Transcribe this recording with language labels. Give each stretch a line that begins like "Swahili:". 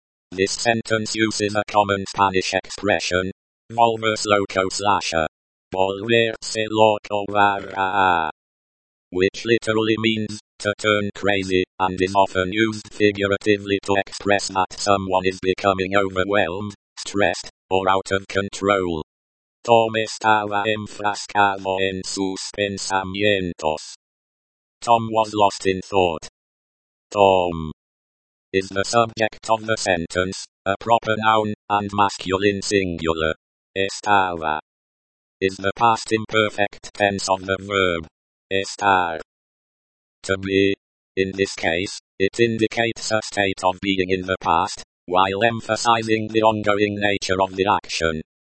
English: This sentence uses a common Spanish expression,
Spanish: volverse loco
English: slasha, volverse loco vara, which literally means to turn crazy, and is often used figuratively to express that someone is becoming overwhelmed, stressed, or out of control.
Spanish: Tom estaba enfrascado en sus pensamientos.
English: Tom was lost in thought. Tom is the subject of the sentence, a proper noun, and masculine singular. Estaba is the past imperfect tense of the verb. Estar. To be, in this case, it indicates a state of being in the past, while emphasizing the ongoing nature of the action.